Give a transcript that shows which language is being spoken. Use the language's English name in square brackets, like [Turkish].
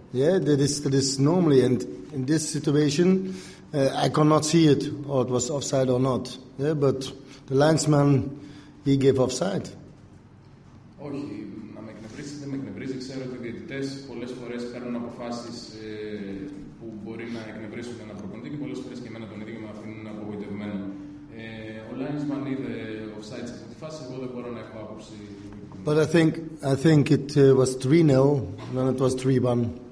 [English] Yeah, that is normally, and in this situation I cannot see it, or it was offside or not. Yeah, but the linesman, he gave offside. [Greek] Όχι, να με εκνευρίζει, δεν με εκνευρίζει. Ξέρω ότι οι διαιτητές πολλές φορές παίρνουν αποφάσεις που μπορεί να εκνευρίσουν ένα προπονητή, και πολλές φορές και εμένα τον ίδιο με αφήνουν απογοητευμένο. Ο linesman είδε offside σε αυτή τη φάση, εγώ δεν μπορώ να έχω άποψη. [English] But I think it was 3-0, then it was 3-1.